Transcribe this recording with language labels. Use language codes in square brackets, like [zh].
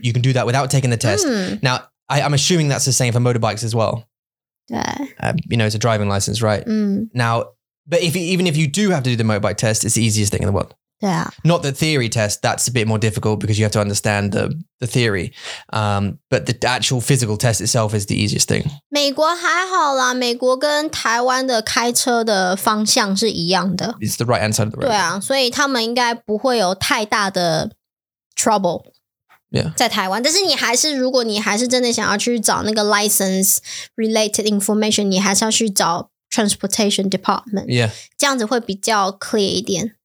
[en] you can do that without taking the test.、Mm. Now, I'm assuming that's the same for motorbikes as well. Yeah. You know, it's a driving license, right?、 Mm. Now, but even if you do have to do the motorbike test, it's the easiest thing in the world. Yeah. Not the theory test, that's a bit more difficult because you have to understand the theory. But the actual physical test itself is the easiest thing. [zh] 美国还好啦，美国跟台湾的开车的方向是一样的。 [en] It's the right hand side of the road. [zh] 对啊，所以他们应该不会有太大的 trouble. [en] Yeah. [zh] 在台湾，但是你还是，如果你还是真的想要去找那个 [en] license related information, [zh] 你还是要去找 [en] transportation department. Yeah. [zh] 这样子会比较 clear 一点。